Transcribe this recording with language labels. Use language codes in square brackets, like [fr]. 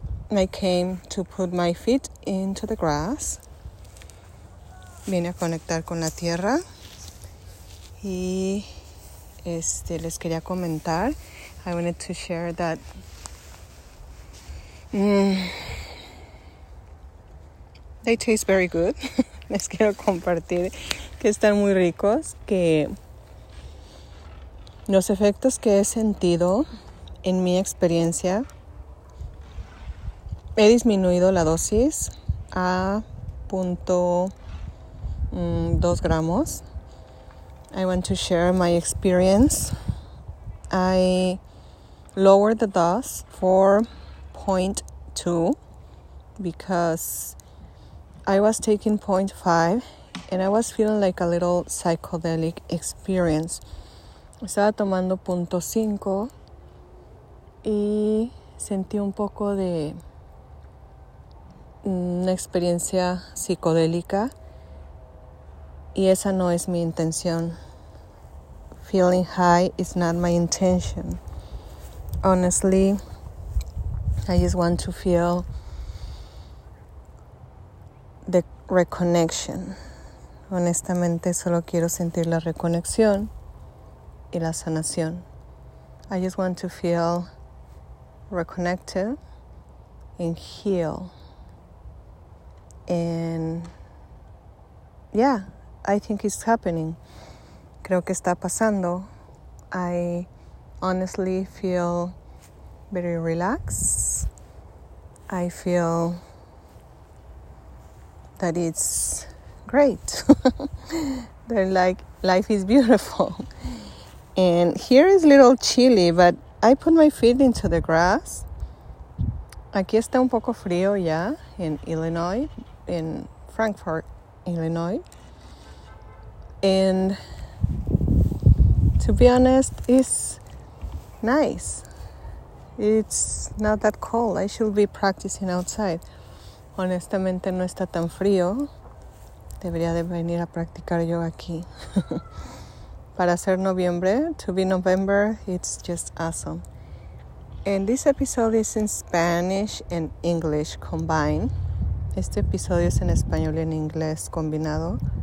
[en] I came to put my feet into the grass. [es] Vine a conectar con la tierra y les quería comentar. [en] I wanted to share that they taste very good. [es] Les quiero compartir que están muy ricos, que los efectos que he sentido en mi experiencia, he disminuido la dosis a punto 2 gramos. [en] I want to share my experience. I lowered the dose for 0.2 because I was taking 0.5 and I was feeling like a little psychedelic experience. [es] Estaba tomando 0.5 y sentí un poco de una experiencia psicodélica. Y esa no es mi intención. [en] Feeling high is not my intention. Honestly, I just want to feel the reconnection. [es] Honestamente, solo quiero sentir la reconexión y la sanación. [en] I just want to feel reconnected and heal. And yeah. I think it's happening. [es] Creo que está pasando. [en] I honestly feel very relaxed. I feel that it's great. They're like, life is beautiful. And here is a little chilly, but I put my feet into the grass. [es] Aquí está un poco frío ya en Illinois, [en] in Frankfort, Illinois. And to be honest, it's nice. It's not that cold. I should be practicing outside. [es] Honestamente, no está tan frío. Debería de venir a practicar yo aquí. Para ser noviembre, [en] to be November, it's just awesome. And this episode is in Spanish and English combined. [es] Este episodio es en español y en inglés combinado.